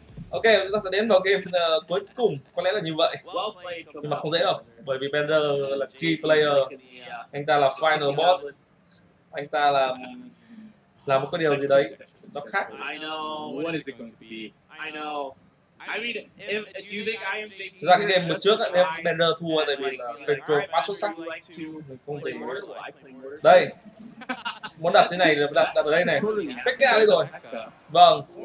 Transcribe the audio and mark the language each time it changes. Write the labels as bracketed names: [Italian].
[Vietnamese] Ok, chúng ta sẽ đến vào game cuối cùng. Có lẽ là như vậy. Nhưng mà không dễ đâu. Bởi vì Bender là key player. Anh ta là final boss. Anh ta là một cái điều gì đấy. [English] I know. What is it going to be? I know. I mean, do you think iamJP? [Vietnamese] Thực ra cái game một trước ấy, em banner thua tại vì là Petro quá xuất sắc. Không thể. Đây. Muốn đặt thế này là đặt ở đây này. Pekka đây rồi. Vâng.